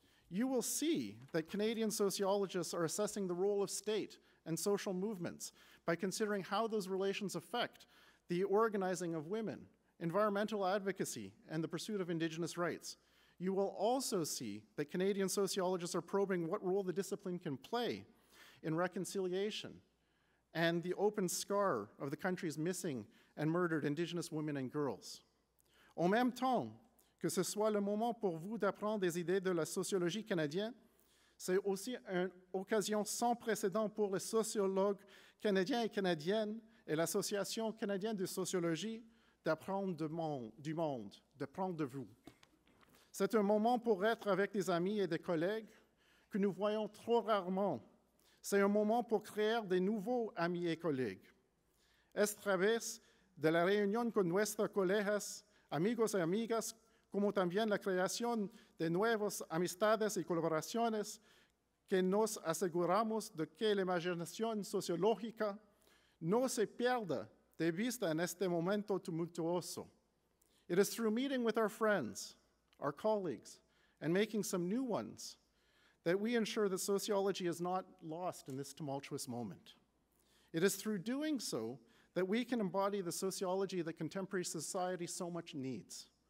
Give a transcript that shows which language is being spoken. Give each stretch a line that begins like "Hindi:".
English: You will see that Canadian sociologists are assessing the role of state and social movements by considering how those relations affect the organizing of women, environmental advocacy, and the pursuit of Indigenous rights. You will also see that Canadian sociologists are probing what role the discipline can play in reconciliation and the open scar of the country's missing and murdered Indigenous women and girls.
French: En même temps, que ce soit le moment pour vous d'apprendre des idées de la sociologie canadienne, c'est aussi une occasion sans précédent pour les sociologues canadiens et canadiennes et l'Association canadienne de sociologie d'apprendre du monde, de prendre de vous. C'est un moment pour être avec des amis et des collègues que nous voyons trop rarement. C'est un moment pour créer des nouveaux amis et collègues.
Spanish: Es través de la reunión con nuestros colegas, amigos y amigas, como también la creación de nuevas amistades y colaboraciones que nos aseguramos de que la imaginación sociológica no se pierda de vista en este momento tumultuoso.
English: It is through meeting with our friends, our colleagues, and making some new ones that we ensure that sociology is not lost in this tumultuous moment. It is through doing so that we can embody the sociology that contemporary society so much needs.